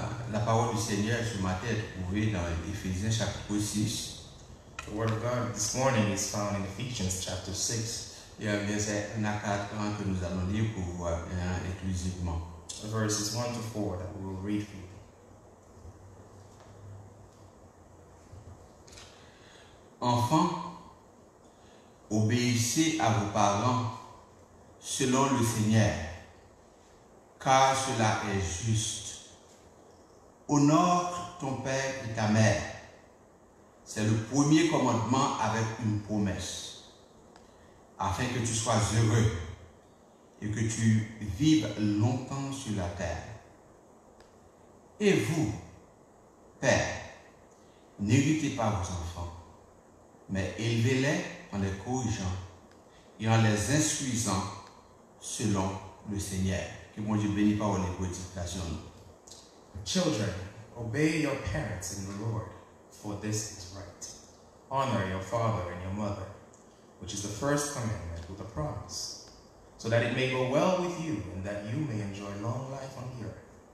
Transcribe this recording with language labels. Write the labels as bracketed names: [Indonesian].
[French] La parole du Seigneur ce matin est trouvée dans Éphésiens chapitre 6, [English] The word of God this morning is found in Ephesians chapter 6. [French] Yeah, bien, c'est un à quatre ans que nous allons lire pour vous inclusivement. [English] Verses 1 to 4 that we will read for you. [French] Enfants, obéissez à vos parents selon le Seigneur, car cela est juste. Honore ton père et ta mère. C'est le premier commandement avec une promesse, afin que tu sois heureux et que tu vives longtemps sur la terre. Et vous, père, n'irritez pas vos enfants, mais élevez-les en les corrigeant et en les instruisant selon le Seigneur. Que mon Dieu bénisse par les prédications. [English] Children, obey your parents in the Lord, for this is right. Honor your father and your mother, which is the first commandment with a promise, so that it may go well with you and that you may enjoy long life on the earth.